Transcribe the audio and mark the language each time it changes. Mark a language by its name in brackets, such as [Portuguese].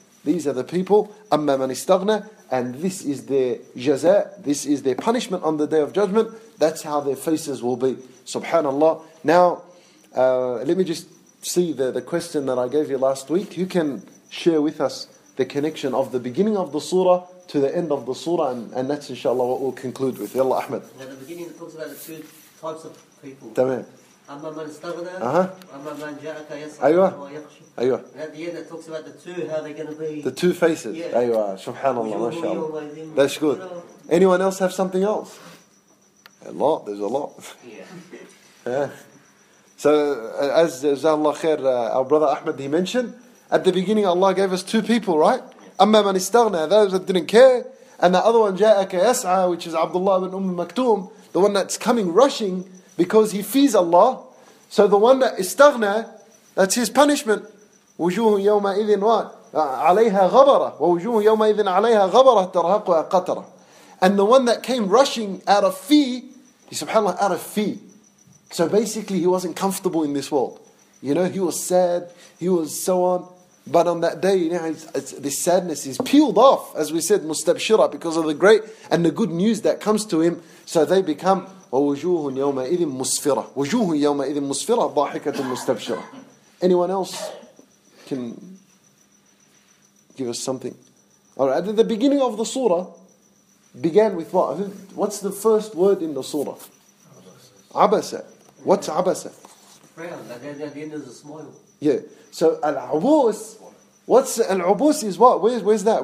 [English] These are the people, [Arabic] أَمَّا مَنْ إِسْتَغْنَى, [English] and this is their jaza, this is their punishment on the Day of Judgment, that's how their faces will be, subhanAllah. Now, let me just see the question that I gave you last week. Who can share with us the connection of the beginning of the surah to the end of the surah, and that's inshallah what we'll conclude with. Yalla Ahmed. Now the beginning talks about the two types of people. Tamam. [Arabic] أما من استغنى وأما من جاءك يسعى أيوة. ويخشى أيوة. [English] The end that talks about the two, how they're going to be. The two faces. Yeah. [Arabic] أيوة. سبحان الله ما شاء الله. [English] That's good. Anyone else have something else? A lot. There's a lot. Yeah. So, as [Arabic] جزاه الله خير, [English] our brother Ahmed, he mentioned, at the beginning Allah gave us two people, right? [Arabic] أما من استغنى, [English] those that didn't care, and the other one, [Arabic] جاءك يسعى, [English] which is Abdullah ibn Maktoum, the one that's coming rushing, because he fears Allah. So the one that istaghna, that's his punishment. [Arabic] وجوه يوم إذن عليها غبرة. وجوه يوم إذن عليها غبرة ترهقها قطرة. [English] And the one that came rushing out of fear, he subhanAllah, out of fear. So basically he wasn't comfortable in this world. You know, he was sad, he was so on. But on that day, you know, this sadness is peeled off, as we said, مستبشرة, because of the great and the good news that comes to him. So they become [Arabic] ووجوه يومئذ مسفرة وجوه يومئذ مسفرة ضاحكة مستبشرة. [English] Anyone else can give us something? Alright, at the beginning of the surah began with what? What's the first word in the surah? Abasa. What's abasa? Frown, at the end is a smile. Yeah, so al-abus, what's al-abus is what? Where's that?